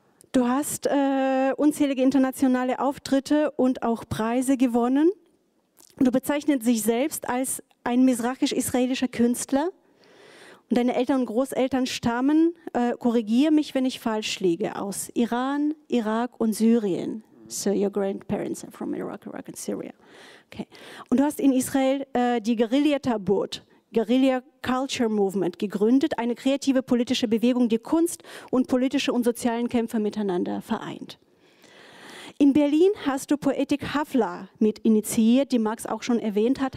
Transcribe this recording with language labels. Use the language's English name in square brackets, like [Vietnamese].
[German] Du hast unzählige internationale Auftritte und auch Preise gewonnen, Du bezeichnest dich selbst als ein misrachisch-israelischer Künstler. Und deine Eltern und Großeltern stammen, korrigiere mich, wenn ich falsch liege, aus Iran, Irak und Syrien. [English] So your grandparents are from Iraq, Iraq and Syria. Okay. [German] Und du hast in Israel die Guerilla Tabot, Guerilla Culture Movement gegründet, eine kreative politische Bewegung, die Kunst und politische und sozialen Kämpfe miteinander vereint. In Berlin hast du Poetic Hafla mit initiiert, die Max auch schon erwähnt hat.